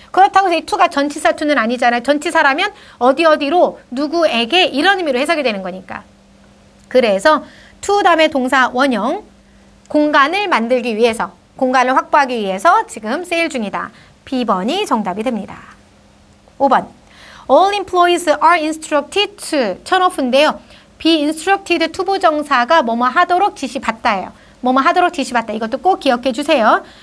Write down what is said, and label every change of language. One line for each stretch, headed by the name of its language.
Korean: 그렇다고 해서 이 to가 전치사 to는 아니잖아요. 전치사라면 어디어디로 누구에게 이런 의미로 해석이 되는 거니까. 그래서 to 다음에 동사 원형 공간을 만들기 위해서 공간을 확보하기 위해서 지금 세일 중이다. B번이 정답이 됩니다.
English: 5번 All employees are instructed to.
Korean: 턴오프인데요. Be instructed to 부정사가 뭐뭐 하도록 지시받다예요. 뭐뭐 하도록 지시받다. 이것도 꼭 기억해 주세요.